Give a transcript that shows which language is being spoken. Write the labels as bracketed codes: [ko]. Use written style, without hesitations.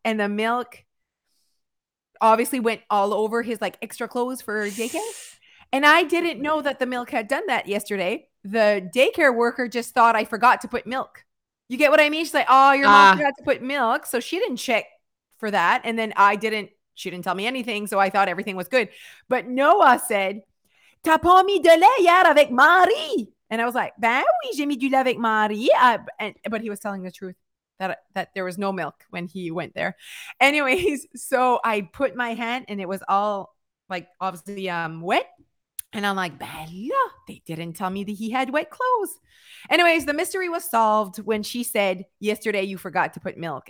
[en] And the milk obviously went all over his like extra clothes for daycare. And I didn't know that the milk had done that yesterday. The daycare worker just thought I forgot to put milk. You get what I mean? She's like, oh, your mom forgot to put milk. So she didn't check for that. And then she didn't tell me anything. So I thought everything was good. But Noah said, [fr] t'as pas mis de lait hier avec Marie. [en] And I was like, [fr] ben oui, j'ai mis du lait avec Marie. [en] But he was telling the truth that there was no milk when he went there. Anyways, so I put my hand and it was all like obviously wet. And I'm like, [fr] ben là, [en] they didn't tell me that he had wet clothes. Anyways, the mystery was solved when she said, yesterday you forgot to put milk.